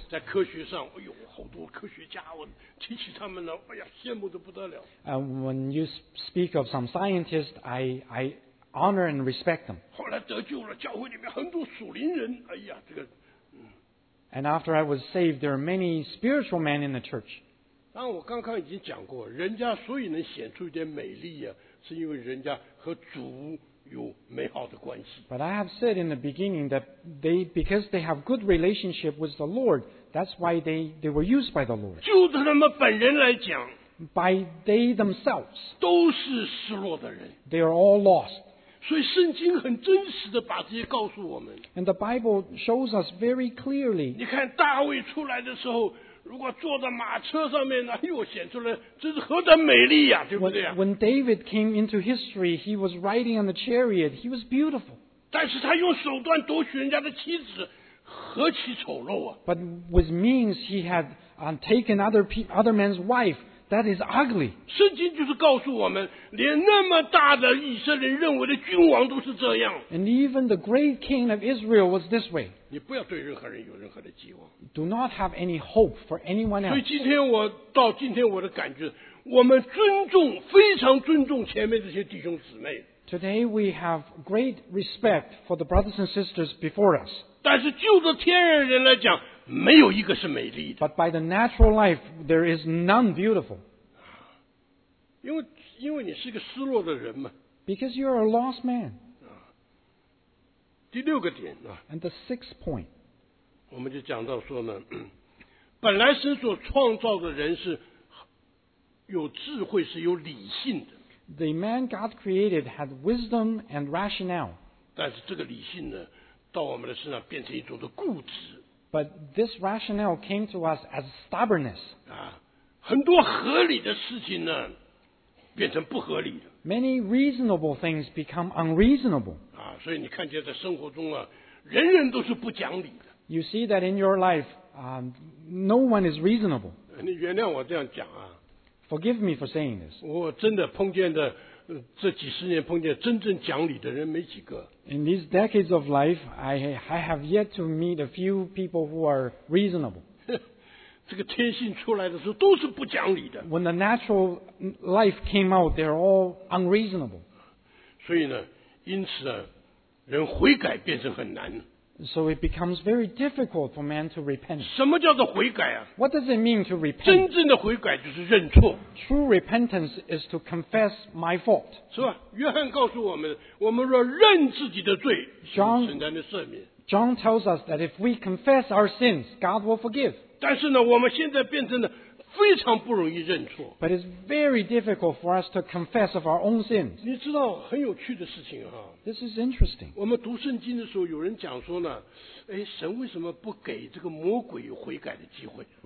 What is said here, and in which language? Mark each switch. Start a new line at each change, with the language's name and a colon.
Chinese: 在科学上，哎呦，好多科学家，我提起他们呢，哎呀，羡慕得不得了。
English: And when you speak of some scientists, I honor and respect them.
Chinese: 后来得救了，教会里面很多属灵人。哎呀，这个。
English: And after I was saved, there are many spiritual men in the church.
Chinese: 但我刚刚已经讲过，人家所以能显出一点美丽啊，是因为人家和主有美好的关系。
English: But I have said in the beginning that they because they have good relationship with the Lord, that's why they were used by the Lord.
Chinese: 就他们本人来讲。
English: By they themselves,
Chinese: 都是失落的人。
English: They are all lost.
Chinese: 所以圣经很真实地把这些告诉我们。
English: And the Bible shows us very clearly.
Chinese: 你看大卫出来的时候，如果坐在马车上面，哎呦，显出来这是何等美丽呀，对不对？
English: When David came into history, he was riding on the chariot. He was beautiful.
Chinese: 但是他用手段夺取人家的妻子，何其丑陋啊！
English: But with means, he had taken other men's wife. That is ugly.
Chinese: 圣经就是告诉我们，连那么大的以色列认为的君王都是这样。
English: And even the great king of Israel was this way.
Chinese: 你不要对任何人有任何的寄望。
English: Do not have any hope for anyone else.
Chinese: 所以今天我到今天我的感觉，我们尊重，非常尊重前面这些弟兄姊妹。
English: Today we have great respect for the brothers and sisters before us.
Chinese: 但是就着天然人来讲。没有一个是美丽的。
English: But by the natural life, there is none beautiful.
Chinese: 因为你是个失落的人嘛。
English: Because you are a lost man.
Chinese: 第六个点啊。
English: And the sixth point.
Chinese: 我们就讲到说呢，本来神所创造的人是有智慧，是有理性的。
English: The man God created had wisdom and rationale.
Chinese: 但是这个理性呢，到我们的身上变成一种的固执。
English: But this rationale came to us as stubbornness.
Chinese: 啊，很多合理的事情呢，变成不合理的。
English: Many reasonable things become unreasonable.
Chinese: 啊，所以你看见在生活中啊，人人都是不讲理的。
English: You see that in your life, no one is reasonable.
Chinese: 你原谅我这样讲啊。
English: Forgive me for saying this.
Chinese: 我真的碰见的。这几十年碰见真正讲理的人没几个。
English: In these decades of life, I have yet to meet a few people who are reasonable.
Chinese: 这个天性出来的时候都是不讲理的。
English: When the natural life came out, they're all unreasonable.
Chinese: 所以呢，因此呢，人悔改变成很难。
English: So it becomes very difficult for man to repent.
Chinese: 什么叫做悔改啊？
English: What does it mean to repent?
Chinese: 真正的悔改就是认错。
English: True repentance is to confess my fault.
Chinese: 是吧？约翰告诉我们，我们若认自己的罪，
English: John,
Chinese: 神才能赦免。
English: John tells us that if we confess our sins, God will forgive.
Chinese: 但是呢，我们现在变成了非常不容易认错。
English: But it's very difficult for us to confess of our own sins.
Chinese: 你知道很有趣的事情哈。
English: This is interesting.
Chinese: 我们读圣经的时候，有人讲说呢，哎，神为什么不给这个魔鬼悔改的机会？